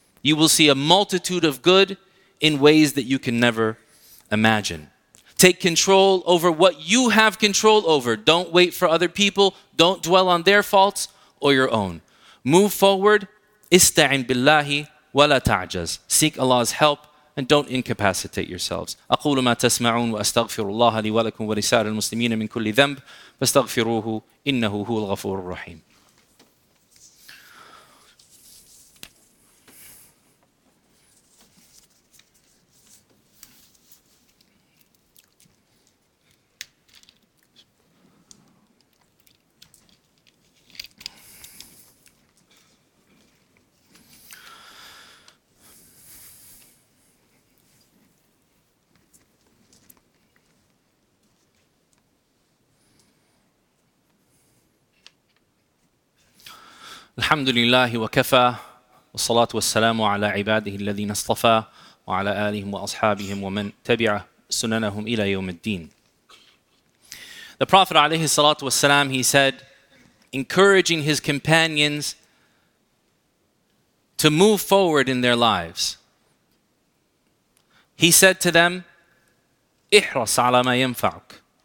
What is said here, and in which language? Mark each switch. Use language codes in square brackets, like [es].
[en] You will see a multitude of good in ways that you can never imagine. Take control over what you have control over. Don't wait for other people. Don't dwell on their faults or your own. Move forward. [ar] استعن بالله ولا تعجز. [en] Seek Allah's help and don't incapacitate yourselves. [ar] أقول ما تسمعون وأستغفر الله لي ولكم ولسائر المسلمين من كل ذنب فاستغفروه إنه هو الغفور الرحيم. الحمد لله وكفى والصلاة والسلام على عباده الذين اصطفى وعلى آلهم وأصحابهم ومن تبع سننهم إلى يوم الدين. [en] The Prophet [ar] عليه الصلاة والسلام, [en] he said, encouraging his companions to move forward in their lives. He said to them, [ar] احرص على ما ينفعك.